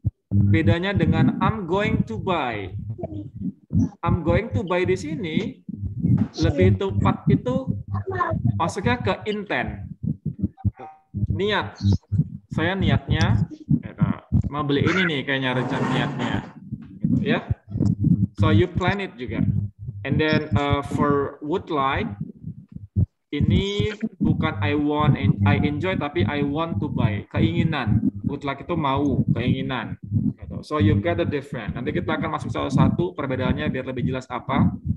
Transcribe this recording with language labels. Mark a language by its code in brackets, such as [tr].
[id] Bedanya dengan [en] I'm going to buy. [id] I'm going to buy di sini, lebih tepat itu masuknya ke intent. Niat. Saya niatnya, mau beli ini nih kayaknya rencana niatnya. Gitu, ya. [en] So you plan it [id] juga. [en] And then for would like, [id] ini bukan [en] I want and I enjoy, [id] tapi [en] I want to buy. [id] Keinginan. [en] Would like [id] itu mau, keinginan. [en] So you get the difference. [id] Nanti kita akan masuk satu-satu perbedaannya biar lebih jelas apa.